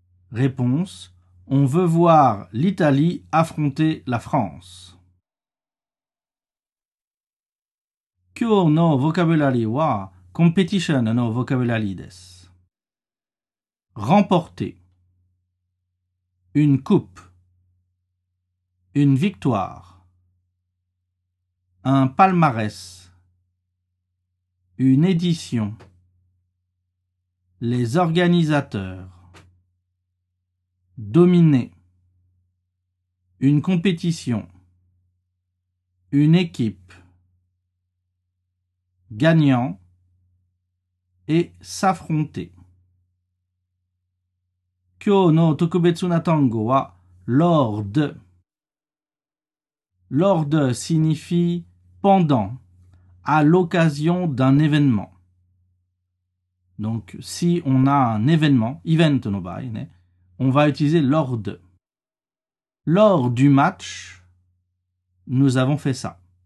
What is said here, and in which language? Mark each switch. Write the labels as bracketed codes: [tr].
[fr] Réponse. On veut voir l'Italie affronter la France. [ja] 今日のボカブラリーはコンペティションのボカブラリーです。 [fr] Remporter. Une coupe. Une victoire. Un palmarès. Une édition. Les organisateurs. Dominer. Une compétition. Une équipe. Gagnant. Et s'affronter. [ja] 今日の特別な単語は Lord. [fr] Lord signifie pendant, à l'occasion d'un événement. Donc, si on a un événement, event [ja] の場合ね、 [fr] on va utiliser Lord. Lors du match, nous avons fait ça.